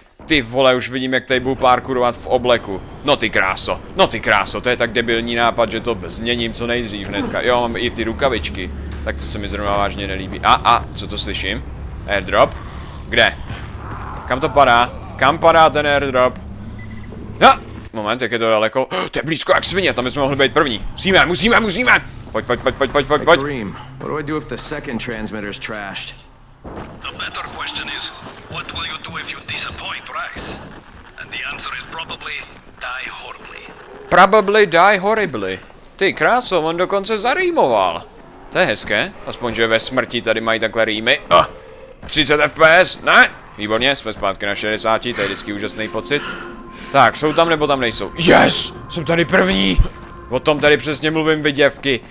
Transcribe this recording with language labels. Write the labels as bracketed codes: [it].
[cs] Ty vole, už vidím, jak tady budu parkourovat v obleku. No ty kráso, to je tak debilní nápad, že to změním co nejdřív hnedka. Jo, mám i ty rukavičky. Tak to se mi zrovna vážně nelíbí. A, co to slyším? Airdrop? Kde? Kam to padá? Kam padá ten airdrop? No, moment, jak je to daleko. Oh, to je blízko jak svině, tam jsme mohli být první. Musíme! Pojď. [en] Kareem, what do I do if the second transmitter's trashed? The better question is, what will you do if you disappoint Rice? And the answer is probably die horribly. Probably die horribly. [cs] Ty kráso, on dokonce zarýmoval. To je hezké, aspoň že ve smrti tady mají takhle rýmy. 30 FPS, ne? Výborně, jsme zpátky na 60, to je vždycky úžasný pocit. Tak, jsou tam nebo tam nejsou? Yes, jsem tady první. O tom tady přesně mluvím, vyděvky.